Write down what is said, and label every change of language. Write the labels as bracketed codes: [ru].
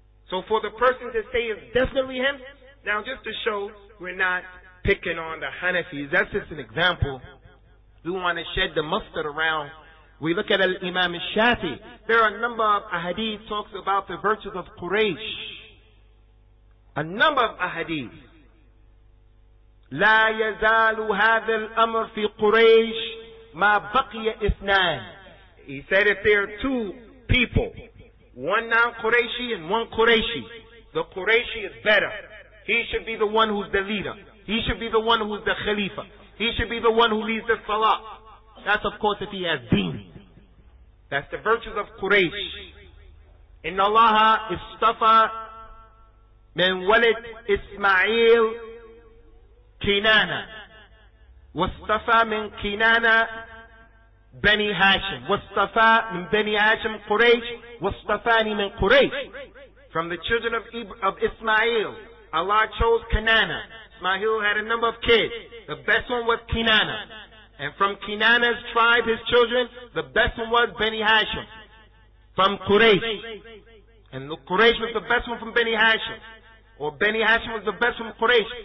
[en] So for the person to say it's definitely him, now just to show we're not picking on the Hanafis, that's just an example. We want to shed the mustard around. We look at Al-Imam al-Shafi. There are a number of ahadith talks about the virtues of Quraysh. A number of ahadith. [ar] لا يزال هذا الأمر في قريش ما بقي إثنان. [en] He said if there are two people, one non-Qurayshi and one Qurayshi, the Qurayshi is better. He should be the one who's the leader. He should be the one who's the Khalifa. He should be the one who leads the Salah. That's of course if he has deen. That's the virtues of Quraysh. [ar] إن الله استفى من ولد إسماعيل كنانة واستفى من كنانة بني هاشم واستفى من بني هاشم قريش واستفاني من قريش. [en] From the children of Ismail, Allah chose Kanana. Ismail had a number of kids. The best one was Kinana. And from Kinana's tribe, his children, the best one was Bani Hashim. From Quraysh. And the Quraysh was the best one from Bani Hashim. Or Bani Hashim was the best from Quraysh.